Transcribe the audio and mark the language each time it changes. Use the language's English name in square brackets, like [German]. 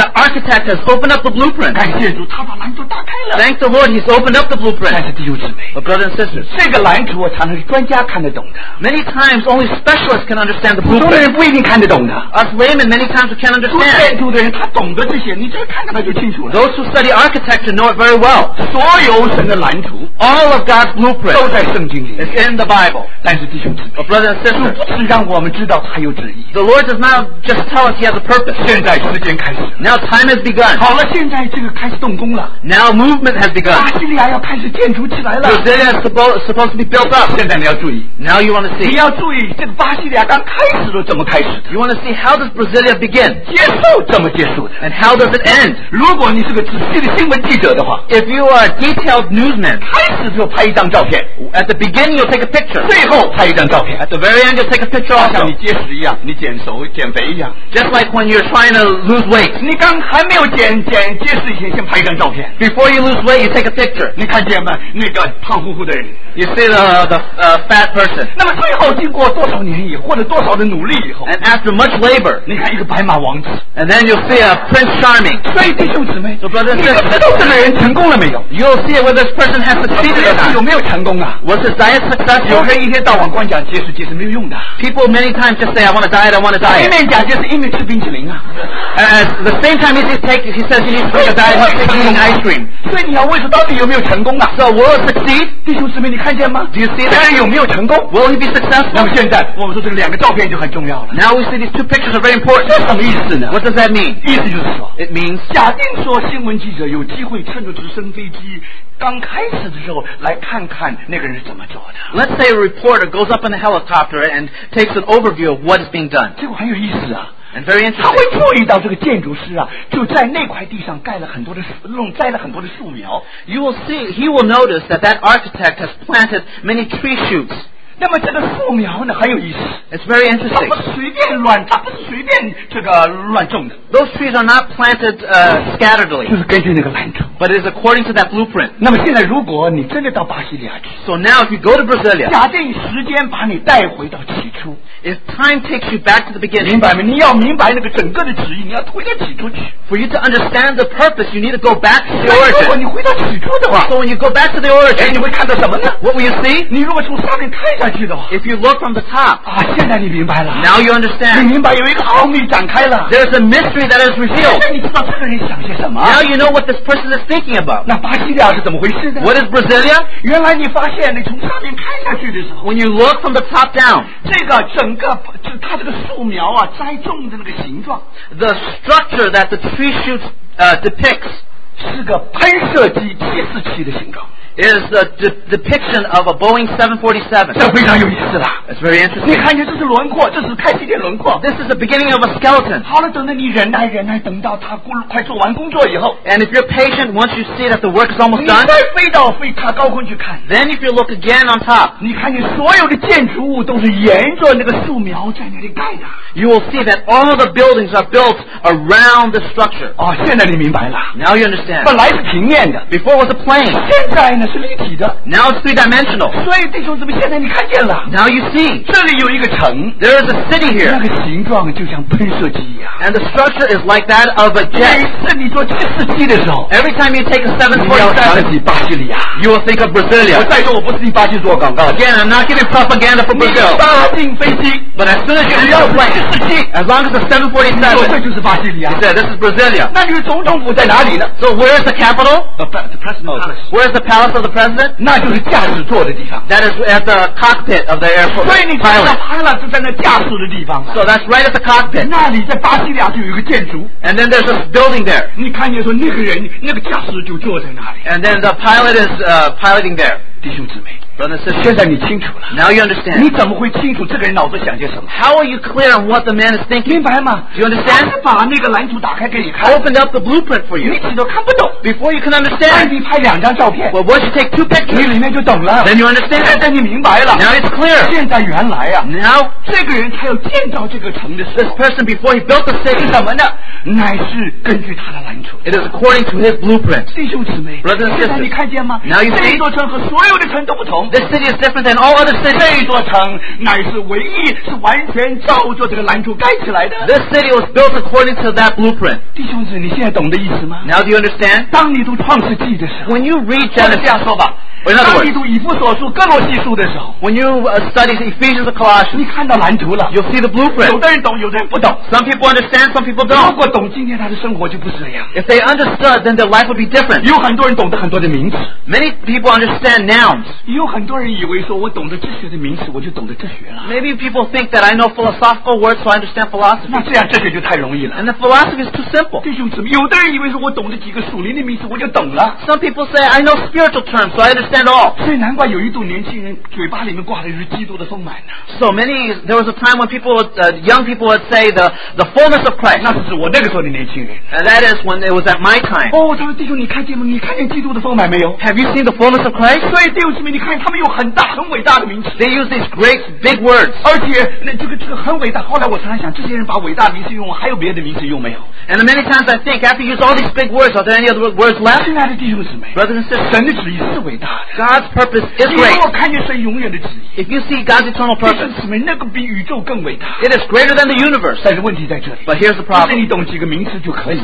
[English] The architect has opened up the blueprint。 [Chinese] 感谢主，他把蓝图打开了。 [English] Thank the Lord, he's opened up the blueprint。 [Chinese] 但是弟兄姊妹 [English] ，But brothers and sisters， [Chinese] 这个蓝图常常是专家看得懂的。 [English] Many times only specialists can understand the blueprint。 [Chinese] 普通人不一定看得懂的。 [English] Us laymen many times we can't understand。 [Chinese] 做建筑的人他懂得这些，你只要看看他就清楚了。 [English] Those who study architecture know it very well. [Chinese] 所有神的蓝图 [English] all of God's blueprint [Chinese] 都在圣经里 [English] It's in the Bible. [Chinese] 但是弟兄姊妹 [English] brothers and sisters, [Chinese] 不是让我们知道他有旨意 [English] The Lord does not just tell us he has a purpose. [Chinese] 现在时间开始 [English] Now time has begun. [Chinese] 好了，现在这个开始动工了 [English] Now movement has begun. [Chinese] 巴西利亚要开始建筑起来了 [English] Brasilia is supposed to be built up. [Chinese] 现在你要注意 [English] Now you want to see. [Chinese] 你要注意这个巴西利亚刚开始都怎么开始的 [English] You want to see how does Brasilia begin? [Chinese] 结束怎么结束的 [English] And how does it end? [Chinese] 如果你是个仔细的新闻记者的话 [English] ，If you are a detailed newsman， [Chinese] 开始就拍一张照片 [English] ，At the beginning you take a picture， [Chinese] 最后拍一张照片 [English] ，At the very end you take a picture， [Chinese] 像你节食一样，你减瘦减肥一样 [English] ，Just like when you're trying to lose weight， [Chinese] 你刚还没有减节食以前，先拍一张照片 [English] ，Before you lose weight you take a picture， [Chinese] 你看见吗？那个胖乎乎的人 [English] ，You see the fat person， [Chinese] 那么最后经过多少年以后，或者多少的努力以后 [English] ，And after much labor， [Chinese] 你看一个白马王子 [English] ，And then you see a prince charming， [Chinese] 所以弟兄姊妹。 [English] So brothers, [Chinese] 你不知道这个人成功了没有 [English] ？You'll see whether this person has succeeded. [Chinese] 他有没有成功啊 [English] ？Was his diet successful？ [Chinese] 有人一天到晚光讲节食，节食没有用的。 [English] People many times just say, "I want a diet, I want a diet." [Chinese] 一面讲节食，一面吃冰淇淋啊。 [English] At the same time, he says he needs to take a diet, he's eating ice cream. [Chinese] 所以你要问说，到底有没有成功啊 [English] ？So will it succeed? [Chinese] 弟兄姊妹，你看见吗 [English] ？Do you see? [Chinese] 当然有没有成功 [English] ？Will he be successful? [Chinese] 那么现在我们说这个两个照片就很重要了。 [English] Now we see these two pictures are very important. [Chinese] 这什么意思呢 [English] ？What does that mean? [Chinese] 意思就是说 [English] ，It means [Chinese] 假定说新闻记者有机会趁着直升飞机刚开始的时候来看看那个人是怎么做的。 [English] Let's say a reporter goes up in a helicopter and takes an overview of what is being done. [Chinese] 这个很有意思啊。 [English] And very interesting. [Chinese] 他会注意到这个建筑师啊，就在那块地上盖了很多的树，弄栽了很多的树苗。 [English] You will see, he will notice that that architect has planted many tree shoots. [Chinese] 那么这个树苗呢很有意思 [English] It's very interesting [Chinese] 它不是随便这个乱种的 [English] Those trees are not planted scatteredly [Chinese] 就是根据那个蓝图 [English] But it is according to that blueprint [Chinese] 那么现在如果你真的到巴西利亚去 [English] So now if you go to Brasilia [Chinese] 假定时间把你带回到起初 [English] If time takes you back to the beginning [Chinese] 明白吗你要明白那个整个的旨意你要回到起初去 [English] For you to understand the purpose you need to go back to the origin [Chinese] 如果你回到起初的话 [English] So when you go back to the origin [Chinese] 你会看到什么呢 [English] What will you see [Chinese] 你如果从上面看一下 [English] If you look from the top, [Chinese] 啊，现在你明白了。 [English] Now you understand. [Chinese] 你明白有一个奥秘展开了。 [English] There's a mystery that is revealed. [Chinese] 现在你知道这个人想些什么。 [English] Now you know what this person is thinking about. [Chinese] 那巴西利亚是怎么回事呢 [English] ？What is Brasilia? [Chinese] 原来你发现你从上面看下去的时候 [English] ，When you look from the top down, [Chinese] 这个整个就它这个树苗啊，栽种的那个形状 [English] ，The structure that the tree shoots depicts [Chinese] 是个喷射机计时器的形状。 [English] is the depiction of a Boeing 747. It's very interesting. [Chinese] 你看见这是轮廓，这是太极点轮廓。 [English] This is the beginning of a skeleton. [Chinese] 好了，等着你忍耐忍耐，等到他快做完工作以后。 [English] And if you're patient, once you see that the work is almost done, [Chinese] 你再飞到飞塔高空去看。 [English] Then if you look again on top, [Chinese] 你看见所有的建筑物都是沿着那个树苗在那里盖的。 [English] You will see that all the buildings are built around the structure. [Chinese] 哦，现在你明白了。 [English] Now you understand. [Chinese] 本来是平面的。 [English] Before it was a plane. [Chinese] 现在呢是立体的。 [English] Now it's three-dimensional. [Chinese] 所以弟兄姊妹，现在你看见了。 [English] Now you see. [Chinese] 这里有一个城。 [English] There is a city here. [Chinese] 那个形状就像喷射机一样。 [English] And the structure is like that of a jet. [Chinese] 每次你坐747的时候。 [English] Every time you take a 747. [Chinese] 你要想起巴西利亚。 [English] You will think of Brasilia. [Chinese] 我再说我不是替巴西做广告。 [English] Again, I'm not giving propaganda for Brazil. [Chinese] 你搭定飞机。 [English] But as soon as you realize it. As long as the 747, he said, this is Brasilia. [Chinese] 那你的总统府在哪里呢？ [English] So where is the capital? The president's office. Where is the palace of the president? [Chinese] 那就是驾驶座的地方。 [English] That is at the cockpit of the airport. [Chinese] 所以你知道 pilot 是在那驾驶的地方。 [English] So that's right at the cockpit. [Chinese] 那里在巴西利亚就有一个建筑。 [English] And then there's this building there. [Chinese] 你看见说那个人，那个驾驶就坐在那里。 [English] And then the pilot is piloting there. [Chinese] 弟兄姊妹 [English] Brother, sister, [Chinese] 现在你清楚了 [English] Now you understand [Chinese] 你怎么会清楚这个人脑子想些什么 [English] How are you clear on what the man is thinking [Chinese] 明白吗 [English] Do you understand [Chinese] 他把那个蓝图打开给你看 [English] Opened up the blueprint for you [Chinese] 你起都看不懂 [English] Before you can understand [Chinese] 那你拍两张照片 [English] Well, once you take two pictures [Chinese] 你里面就懂了 [English] Then you understand [Chinese] 现在你明白了 [English] Now it's clear [Chinese] 现在原来啊 [English] Now [Chinese] 这个人才有建造这个城的时候 [English] This person before he built the city [Chinese] 是什么呢乃是根据他的蓝图 [English] It is according to his blueprint [Chinese] 弟兄姊妹 [English] Brother, sister [Chinese] 现在你看见吗 [English] Now you see [Chinese] 这一座城和所有 [English] This city is different than all other cities. [Chinese] 这座城乃是唯一是完全照着这个蓝图盖起来的。 [English] This city was built according to that blueprint. [Chinese] 弟兄子，你现在懂的意思吗？ [English] Now do you understand? [Chinese] 当你读创世纪的时候， [English] When you read Genesis, [Chinese] 这样说吧。当你读以弗所书、哥罗西书的时候， [English] When you study Ephesians and Colossians, [Chinese] 你看到蓝图了。 [English] You'll see the blueprint. [Chinese] 有的人懂，有的人不懂。 [English] Some people understand, some people don't. [Chinese] 如果懂，今天他的生活就不是这样。 [English] If they understood, then their life would be different. [Chinese] 有很多人懂得很多的名词。 [English] Many people understand nouns. [Chinese] 有很多人以为说，我懂得这些的名词，我就懂得哲学了。 [English] Maybe people think that I know philosophical words, so I understand philosophy. [Chinese] 那这样哲学就太容易了。 [English] And the philosophy is too simple. [Chinese] 弟兄姊妹，有的人以为说，我懂得几个属灵的名词，我就懂了。 [English] Some people say I know spiritual terms, so I understand. [Chinese] 所以难怪有一度年轻人嘴巴里面挂的是基督的丰满呢。 [English] So many, there was a time when people, young people would say the fullness of Christ. [Chinese] 那是我那个时候的年轻人。 [English] And that is when it was at my time. [Chinese] 哦，他说弟兄，你看见吗？你看见基督的丰满没有？ [English] Have you seen the fullness of Christ? [Chinese] 所以弟兄姊妹，你看他们有很大很伟大的名词。 [English] They use these great big words. [Chinese] 而且那这个很伟大。后来我常常想，这些人把伟大名词用完，还有别的名词用没有？ [English] And many times I think after you use all these big words, are there any other words left? [Chinese] 亲爱的弟兄姊妹 [English] ，Brothers and sisters, [Chinese] 神的旨意是伟大的。 [English] God's purpose is great. [Chinese] 你如果看见神永远的旨意 [English] If you see God's eternal purpose, [Chinese] 弟兄姊妹，那个比宇宙更伟大。 [English] It is greater than the universe. [Chinese] 但是问题在这里。 [English] But here's the problem. [Chinese] 不是你懂几个名词就可以。